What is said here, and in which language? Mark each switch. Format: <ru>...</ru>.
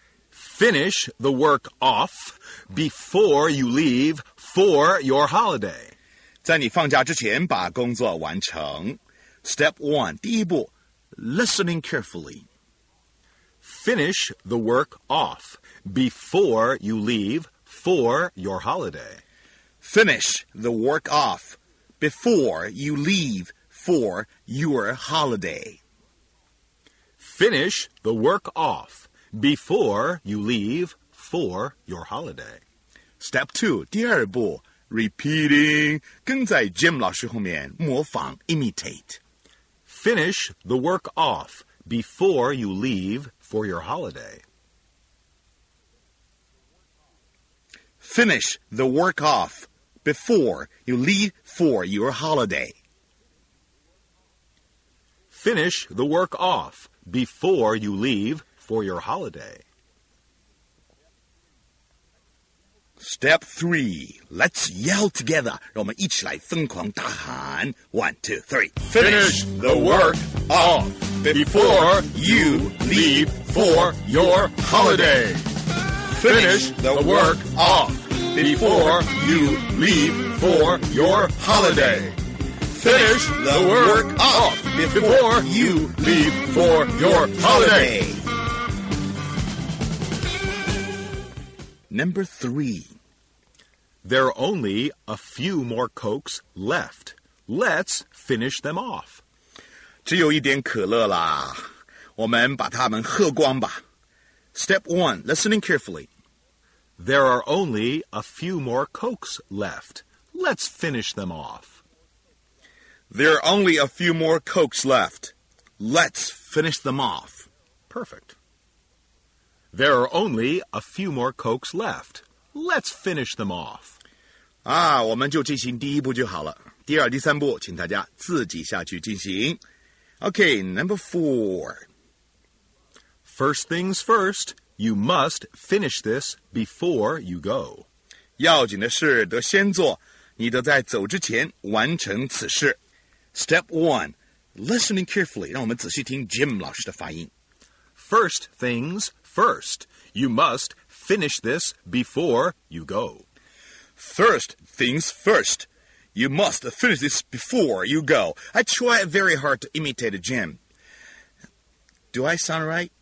<en>Finish the work off before you leave for your holiday.</en> <zh>在你放假之前把工作完成。</zh> <en>Step 1,</en> <zh>第一步,</zh> <en>listening carefully. Finish the work off before you leave for your holiday. Finish the work off before you leave for your holiday. Finish the work off. Before you leave for your holiday. Step 2,</en> <zh>第二步,</zh> <en>repeating,</en> <zh>跟在 Jim 老师后面模仿,</zh> <en>imitate. Finish the work off before you leave for your holiday. Finish the work off before you leave for your holiday. Finish the work off before you leave. For your holiday. Step 3. Let's yell together.</en> <zh>让我们一起来疯狂大喊 1, 2, 3.</zh> <en>Finish the work off before you leave for your holiday. Finish the work off before you leave for your holiday. Finish the work off before you leave for your holiday. Number 3. There are only a few more Cokes left. Let's finish them off.</en> <zh>只有一点可乐了。我们把它们喝光吧。</zh> <en>Step 1. Listening carefully. There are only a few more Cokes left. Let's finish them off. There are only a few more Cokes left. Let's finish them off. Perfect. There are only a few more Cokes left. Let's finish them off.</en> <zh>啊，我们就进行第一步就好了。第二、第三步，请大家自己下去进行。</zh> <en>Okay, number 4. First things first, you must finish this before you go.</en> <zh>要紧的事得先做，你得在走之前完成此事。</zh> <en>Step 1, listening carefully.</en> <zh>让我们仔细听 Jim 老师的发音。</zh> <en>First things first, you must finish this before you go. First things first, you must finish this before you go. I try very hard to imitate a Jim. Do I sound right?</en>